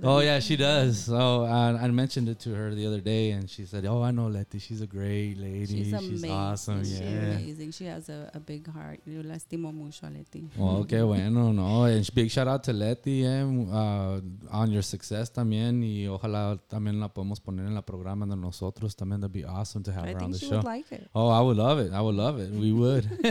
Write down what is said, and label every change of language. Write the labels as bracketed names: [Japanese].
[English] Though. Oh, yeah, she does. So I mentioned it to her the other day, and she said, oh, I know Leti. She's a great lady. She's amazing. She's awesome. She's amazing. She has a big heart. [Spanish] Yo lastimo mucho a Leti. [English] Well, [Spanish] qué bueno, no. [English] And big shout out to Leti on your success. [Spanish] También y ojalá también la podemos poner en la programa de nosotros también. [English] That'd be awesome to have her on the show. I think she would like it. Oh, I would love it. We would.